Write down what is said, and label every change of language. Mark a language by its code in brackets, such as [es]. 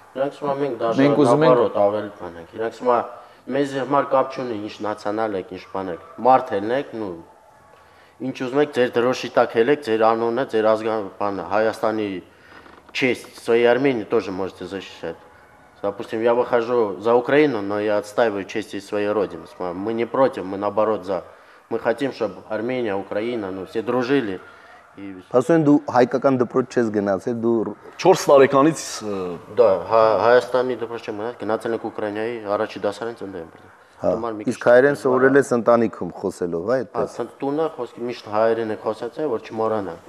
[hy] Իրանք հիմա մենք դաշտ մենք ուզում ենք հարոտ ավել բանակ, իրանք հիմա մեզ հիմար կապ չունի, ինչ նացիոնալ եք, ինչ բան եք, մարդ ենք, նո ինչ ուզում եք, ձեր դրոշի տակ հելեք, ձեր անունը, ձեր ազգան բանը, Հայաստանի չեստ, [ru] свои армении тоже можете защищать. Допустим, я выхожу за Украину, но я отстаиваю честь и свою родину. Мы не против, мы наоборот за. Мы хотим, чтобы Армения, Украина, ну, все дружили. [hy] Ասում դու հայկական դպրոց չես գնացել, դու 4 տարեկանից դա Հայաստանի դպրոց չեմ գնացել, գնացել եք Ուկրաինայի առաջի դասարանից ընդեմ։ Իսկ հայերեն սովորել ես ընտանիքում խոսելով, այդպես։ Այդ տունը խոսքի միշտ հայերեն է խոսած, որ չմոռանա։